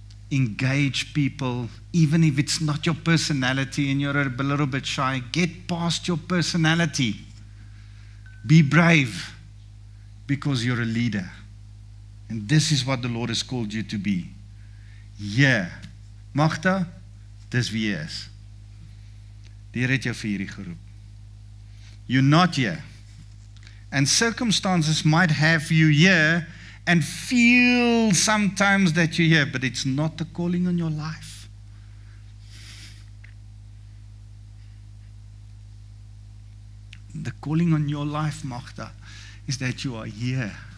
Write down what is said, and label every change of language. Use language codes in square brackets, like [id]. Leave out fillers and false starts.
[en] Engage people. Even if it's not your personality and you're a little bit shy, get past your personality. Be brave because you're a leader. And this is what the Lord has called you to be. Yeah. [af] Magda, [en] this is [af] wie jy is. Die Here het jou vir hierdie geroep. [en] you're not here. And circumstances might have you here and feel sometimes that you're here, but it's not the calling on your life. The calling on your life, Magda, is that you are here.